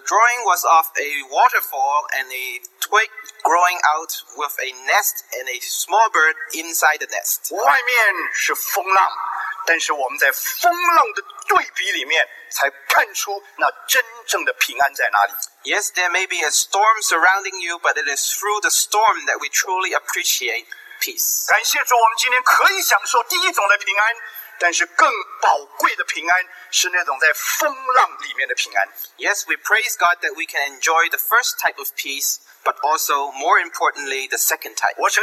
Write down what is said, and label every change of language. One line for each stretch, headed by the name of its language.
English: drawing was of a waterfall and a twig growing out with a nest and a small bird inside the nest.
Chinese: 外面是风浪，但是我们在风浪的对比里面，才看出那真正的平安在哪里。
English: Yes, there may be a storm surrounding you, but it is through the storm that we truly appreciate peace.
Chinese: 感谢主，我们今天可以享受第一种的平安。但是更宝贵的平安是那种在风浪里面的平安。
English: Yes, we praise God that we can enjoy the first type of peace, but also, more importantly, the second type.